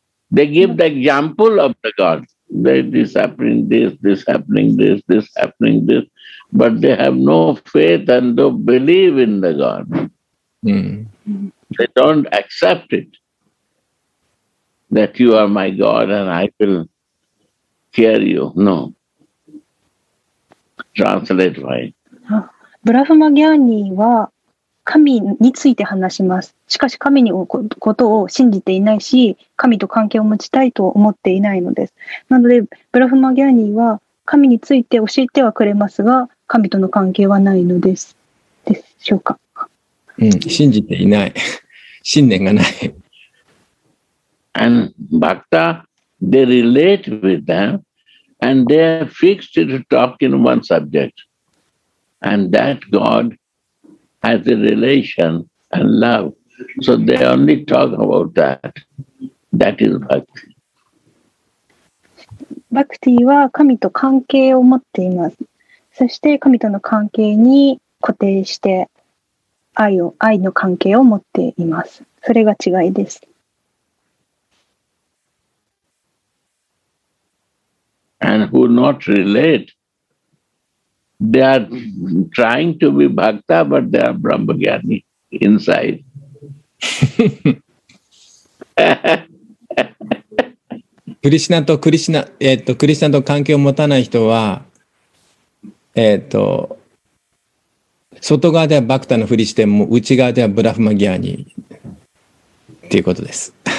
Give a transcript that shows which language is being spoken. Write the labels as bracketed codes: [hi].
[en] They give the example of the God. This happening, this, but they have no faith and don't believe in the God. Mm. They don't accept it that you are my God and I will hear you. No. Translate right. [ja] ブラフマギャーニーは神について話します。しかし神のことを信じていないし、神と関係を持ちたいと思っていないのです。なので、ブラフマギャーニーは神について教えてはくれますが、神との関係はないのです。でしょうか。うん、信じていない。信念がない。 [en] And Bhakta, they relate with them, and they are fixed to talk in one subject. And that God has a relation and love. So they only talk about that. That is bhakti. [ja] Bhakti は神と関係を持っています。そして神との関係に固定して愛の関係を持っています。それが違いです。 [en] and who not relate, they are trying to be bhakta, but they are brahmagyani inside. [ja] クリシナとクリシナ、クリシナと関係を持たない人は、外側ではバクタのふりしても内側ではブラフマギアニっていうことです。